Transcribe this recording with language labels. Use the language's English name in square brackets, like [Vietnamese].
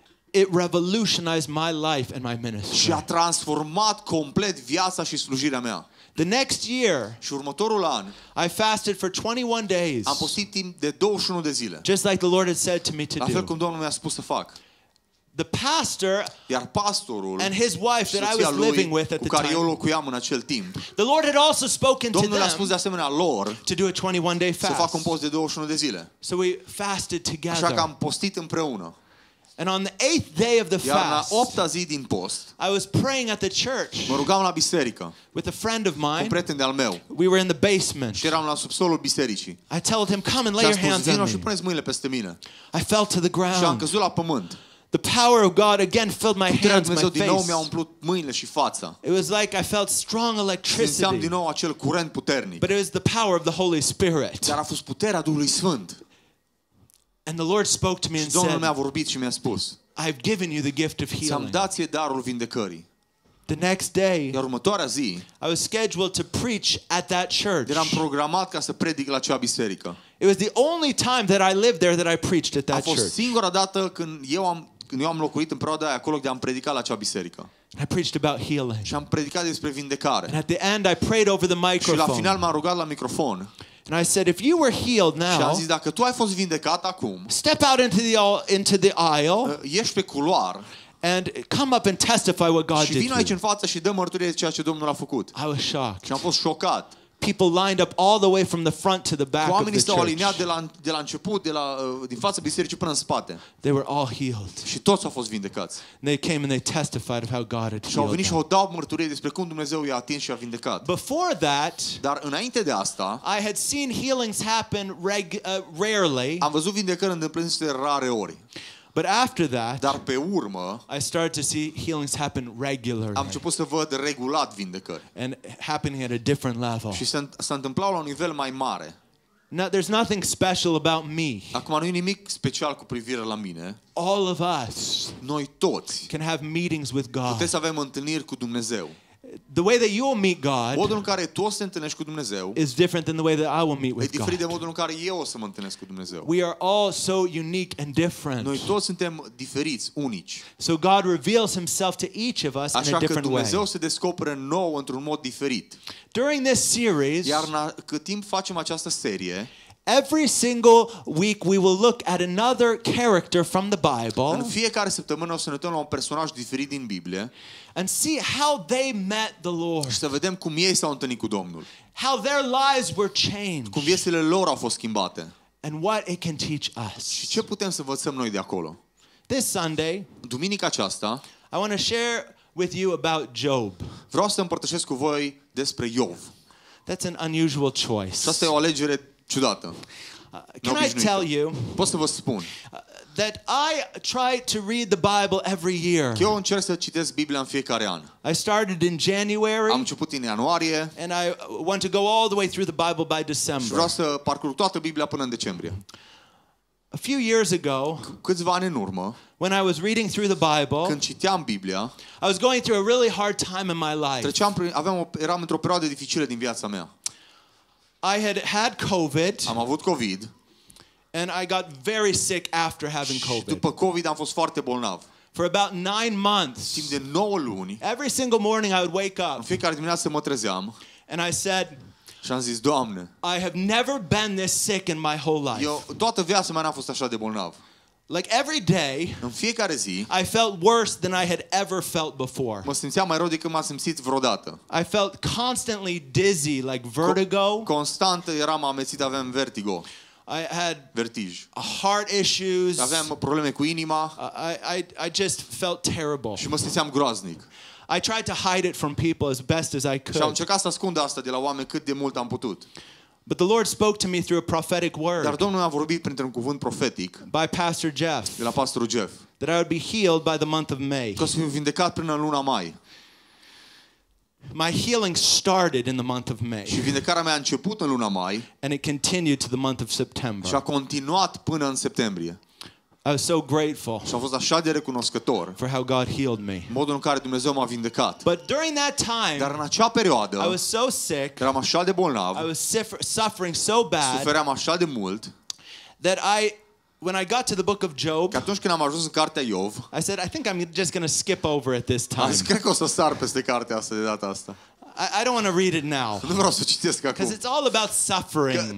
[English] It revolutionized my life and my ministry. [Romanian] Și a transformat complet viața și slujirea mea. [English] The next year, [Romanian] și următorul an, [English] I fasted for 21 days. [Romanian] Am postit timp de 21 de zile. [English] Just like the Lord had said to me to do. [Romanian] La fel cum Domnul mi-a spus să fac. [English] The pastor, [Romanian] iar pastorul, [English] and his wife that I was living with at the time. [Romanian] Cu care eu locuiam în acel timp. [English] The Lord had also spoken to them. [Romanian] Domnul a spus de asemenea lor [English] to do a 21 day fast. [Romanian] Să fac un post de 21 de zile. [English] So we fasted together. [Romanian] Așa că am postit împreună. [English] And on the eighth day of the fast, [Romanian] iar la 8-a zi din post, [English] I was praying at the church. [Romanian] Mă rugam la biserică. [English] With a friend of mine. [Romanian] Cu prieten de-al meu. [English] We were in the basement. [Romanian] Și eram la subsolul bisericii. [English] I told him, "Come and lay your hands on me." [Romanian] Și puneți mâinile peste mine. [English] I fell to the ground. [Romanian] Și am căzut la pământ. [English] The power of God again filled my [Romanian] puterea [English] hands, my face. [Romanian] Din nou mi-a umplut mâinile și fața. [English] It was like I felt strong electricity. [Romanian] Simțeam din nou acel curent puternic. [English] But it was the power of the Holy Spirit. [Romanian] Dar a fost puterea Duhului Sfânt. [English] And the Lord spoke to me and said, [Romanian] Domnul mi-a vorbit și mi-a spus, [English] I've given you the gift of healing. [Romanian] Ți-am dat ție darul vindecării. [English] The next day, [Romanian] iar următoarea zi, [English] I was scheduled to preach at that church. [Romanian] Eram programat ca să predic la acea biserică. [English] It was the only time that I lived there that I preached at that church. [Romanian] A fost singura dată când eu am locuit în perioada aia acolo, de am predicat la acea biserică. [English] I preached about healing. [Romanian] Și am predicat despre vindecare. [English] And at the end I prayed over the microphone. [Romanian] Și la final m-am rugat la microfon. [English] And I said, if you were healed now, [Romanian] și am zis, dacă tu ai fost vindecat acum, [English] step out into the aisle, [Romanian] ieși pe culoar, [English] and come up and testify what God did. [Romanian] Și vino aici în față și dă mărturie de ceea ce Domnul a făcut. [English] I was shocked. [Romanian] Și am fost șocat. [English] People lined up all the way from the front to the back. [Romanian] Oamenii s-au aliniat de la început, din fața bisericii până în spate. [English] They were all healed. [Romanian] Și toți au fost vindecați. [English] They came and they testified of how God had healed. [Romanian] Și au venit și au dat mărturie despre cum Dumnezeu i-a atins și i-a vindecat. [English] Before that, [Romanian] dar înainte de asta, [English] I had seen healings happen rarely. [Romanian] Am văzut vindecări întâmplându-se rare ori. [English] But after that, [Romanian] dar pe urmă, [English] I started to see healings happen regularly. [Romanian] Am început să văd regulat vindecări. [English] And happening at a different level. [Romanian] Și se întâmplau la un nivel mai mare. [English] Now there's nothing special about me. [Romanian] Acum nu e nimic special cu privire la mine. [English] All of us, [Romanian] noi toți, [English] can have meetings with God. [Romanian] Putem să avem întâlniri cu Dumnezeu. [English] The way that you will meet God, [Romanian] modul în care tu o să te întâlnești cu Dumnezeu, [English] is different than the way that I will meet with God. [Romanian] E diferit de modul în care eu o să mă întâlnesc cu Dumnezeu. [English] We are all so unique and different. [Romanian] Noi toți suntem diferiți, unici. [English] So God reveals Himself to each of us [Romanian] așa [English] in a different way. [Romanian] Așa că Dumnezeu se descoperă nou într-un mod diferit. [English] During this series, [Romanian] iar cât timp facem această serie, [English] every single week we will look at another character from the Bible. [Romanian] În fiecare săptămână o să ne uităm la un personaj diferit din Biblie. [English] And see how they met the Lord. [Romanian] Să vedem cum ei s-au întâlnit cu Domnul. [English] How their lives were changed. [Romanian] Cum viețile lor au fost schimbate. [English] And what it can teach us. [Romanian] Și ce putem să învățăm noi de acolo? [English] This Sunday, [Romanian] duminica aceasta, [English] I want to share with you about Job. [Romanian] Vreau să împărtășesc cu voi despre Iov. [English] That's an unusual choice. [Romanian] Și asta e o alegere ciudată. [English] Can I tell you? [Romanian] Pot să vă spun. [English] That I try to read the Bible every year. [Romanian] Eu încerc să citesc Biblia în fiecare an. [English] I started in January. [Romanian] Am început în ianuarie. [English] And I want to go all the way through the Bible by December. [Romanian] Vreau să parcurg toată Biblia până în decembrie. [English] A few years ago, [Romanian] câțiva ani în urmă, [English] when I was reading through the Bible, [Romanian] când citeam Biblia, [English] I was going through a really hard time in my life. [Romanian] Eram într-o perioadă dificilă din viața mea. [English] I had COVID. [Romanian] Am avut COVID. [English] And I got very sick after having COVID. [Romanian] După COVID am fost foarte bolnav. [English] For about 9 months. [Romanian] Timp de 9 luni. [English] Every single morning I would wake up. [Romanian] În fiecare dimineață mă trezeam. [English] And I said, [Romanian] și am zis, Doamne, [English] I have never been this sick in my whole life. [Romanian] Eu toată viața mea n-am fost așa de bolnav. [English] Like every day, [Romanian] în fiecare zi, [English] I felt worse than I had ever felt before. [Romanian] Mă simțeam mai rău decât m-am simțit vreodată. [English] I felt constantly dizzy, like vertigo. [Romanian] Constant eram amețit, aveam vertigo. [English] I had [Romanian] vertige. [English] Heart issues. [Romanian] Aveam probleme cu inima. [English] I just felt terrible. [Romanian] Și mă simțeam groaznic. [English] I tried to hide it from people as best as I could. [Romanian] Și am încercat să ascund asta de la oameni cât de mult am putut. [English] But the Lord spoke to me through a prophetic word. [Romanian] Dar Domnul a vorbit printr-un cuvânt profetic. [English] By Pastor Jeff. [Romanian] De la pastorul Jeff. [English] That I would be healed by the month of May. [Romanian] Că o să fiu vindecat prin luna mai. [English] My healing started in the month of May. [Romanian] Și vindecarea mea a început în luna mai. [English] And it continued to the month of September. [Romanian] Și a continuat până în septembrie. [English] I was so grateful. [Romanian] Și am fost așa de recunoscător. [English] For how God healed me. [Romanian] Modul în care Dumnezeu m-a vindecat. [English] But during that time, [Romanian] dar în acea perioadă, [English] I was so sick. [Romanian] Eram așa de bolnav. [English] I was suffering so bad. [Romanian] Sufeream așa de mult. [English] That I, when I got to the book of Job, [Romanian] că atunci când am ajuns în cartea Iov, [English] I said, I think I'm just going to skip over it this time. [Romanian] Azi, cred că o să sar peste cartea asta de data asta. [English] I don't want to read it now. [Romanian] Nu vreau să citesc acum. [English] Because it's all about suffering.